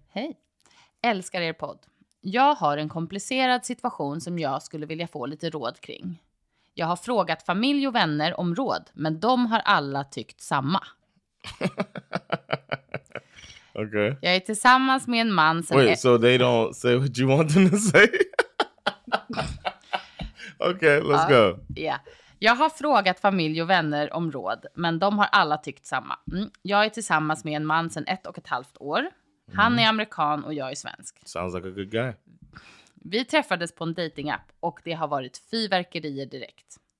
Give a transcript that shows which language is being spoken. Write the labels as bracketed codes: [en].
[sv] Hej. Älskar er podd. Jag har en komplicerad situation som jag skulle vilja få lite råd kring. Jag har frågat familj och vänner om råd, men de har alla tyckt samma. Okej. Okay. Jag är tillsammans med en man som... [en] Wait, so they don't say what you want them to say? Okej, okay, let's go. Yeah. [sv] Jag har frågat familj och vänner om råd, men de har alla tyckt samma. Jag är tillsammans med en man sedan 1,5 år. Han är amerikan och jag är svensk. [en] Sounds like a good guy. [sv] Vi träffades på en dating-app och det har varit fyrverkerier direkt.